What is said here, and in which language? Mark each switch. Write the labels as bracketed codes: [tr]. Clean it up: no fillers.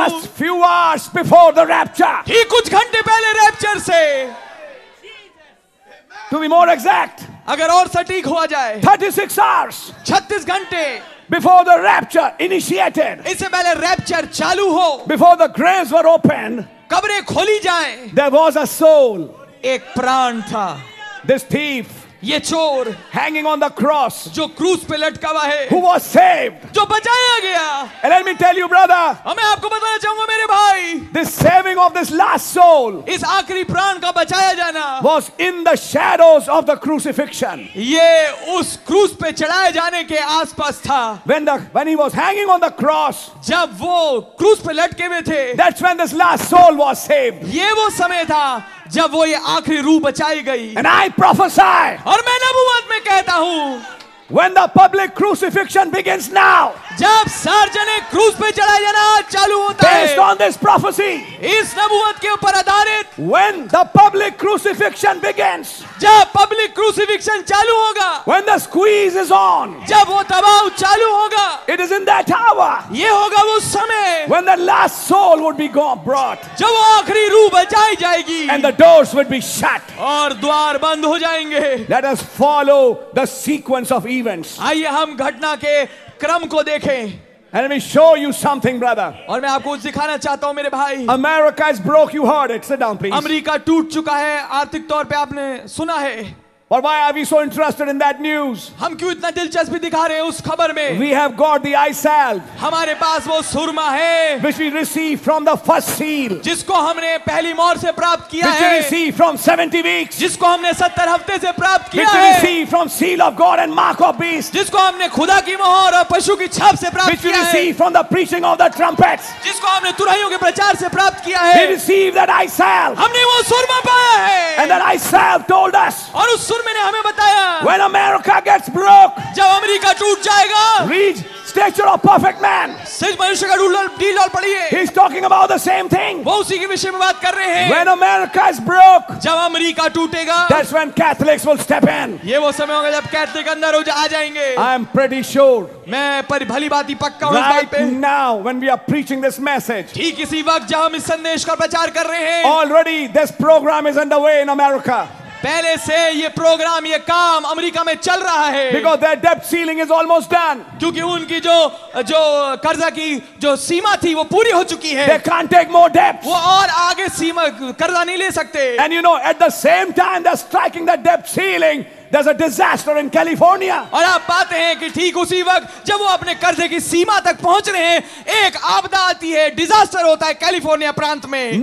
[en] हूँ. Just few hours before the rapture. [hi] ठीक कुछ घंटे पहले रैप्चर से. [en] To be more exact. [hi] अगर और सटीक हुआ जाए. [en] 36 hours. [hi] 36 घंटे. [en] Before the rapture initiated. [hi] इससे पहले रैप्चर चालू हो. [en] Before the graves were opened. [hi] कब्रें खोली जाए. [en] There was a soul. [hi] एक प्राण था. [en] This thief. [hi] ये चोर, [en] hanging on the cross, [hi] जो क्रूस पे लटका हुआ है, [en] who was saved, [hi] जो बचाया गया. [en] And let me tell you, brother, [hi] और मैं आपको बताना चाहूंगा मेरे भाई, [en] this saving of this last soul, [hi] इस आखिरी प्राण का बचाया जाना, [en] was in the shadows of the crucifixion, [hi] ये उस क्रूस पे चढ़ाए जाने के आसपास था. [en] When he was hanging on the cross, [hi] जब वो क्रूस पे लटके हुए थे, [en] that's when this last soul was saved, [hi] ये वो समय था जब वो ये आखिरी रूह बचाई गई. [en] And I prophesy, [hi] और मैं नबुवत में कहता हूं, [en] When the public crucifixion begins now, [hi] जब सार्वजनिक क्रूस पे चढ़ाया जाना चालू होता [en] है, based on this prophecy, [hi] इस नबुवत के ऊपर आधारित, [en] When the public crucifixion begins, [hi] जब पब्लिक क्रूसिफिक्शन चालू होगा, [en] When the squeeze is on, [hi] जब वो दबाव चालू होगा, [en] It is in that hour, [hi] ये होगा वो समय, [en] When the last soul would be brought, [hi] जब वो आखिरी रूह बचाई जाएगी, [en] And the doors would be shut, [hi] और द्वार बंद हो जाएंगे. [en] Let us follow the sequence of events. [hi] आइए हम घटना के क्रम को देखें. [en] And let me show you something, brother. [hi] और मैं आपको कुछ दिखाना चाहता हूँ मेरे भाई. [en] America is broke, you heard it. Sit down, please. [hi] America टूट चुका है आर्थिक तौर पे, आपने सुना है. [en] But why are we so interested in that news? [hi] हम क्यों इतना दिलचस्पी दिखा रहे हैं उस खबर में? [en] We have got the eye salve. [hi] हमारे पास वो सुरमा है. [en] Which we received from the first seal. [hi] जिसको हमने पहली मोहर से प्राप्त किया है. [en] Which we received from 70 weeks. [hi] जिसको हमने 70 हफ्ते से प्राप्त किया है. [en] Which we received from seal of God and mark of beast. [hi] जिसको हमने खुदा की मोहर और पशु की छाप से प्राप्त किया है. [en] Which we received from the preaching of the trumpets. [hi] जिसको हमने तुरहियों के प्रचार से प्राप्त किया है. [en] We received that eye salve. [hi] हमने वो सुरमा पाया है. [en] And that eye salve told us. [hi] और उस [en] When America gets broke, read Stature of Perfect Man. He's talking about the same thing. When America is broke, that's when Catholics will step in. I'm pretty sure. Right now, when we are preaching this message, already this program is underway in America. [hi] पहले से ये programme ये काम America में चल रहा है [en] because their debt ceiling is almost done [hi] क्योंकि उनकी जो जो कर्जा की जो सीमा थी वो पूरी हो चुकी है [en] they can't take more debt [hi] वो और आगे सीमा कर्जा नहीं ले सकते [en] and you know at the same time they're striking the debt ceiling there's a disaster in California [hi] और आप पाते हैं कि ठीक उसी वक्त जब वो अपने कर्जे की सीमा तक पहुंच रहे हैं एक आपदा आती है डिजास्टर होता है कैलिफोर्निया प्रांत में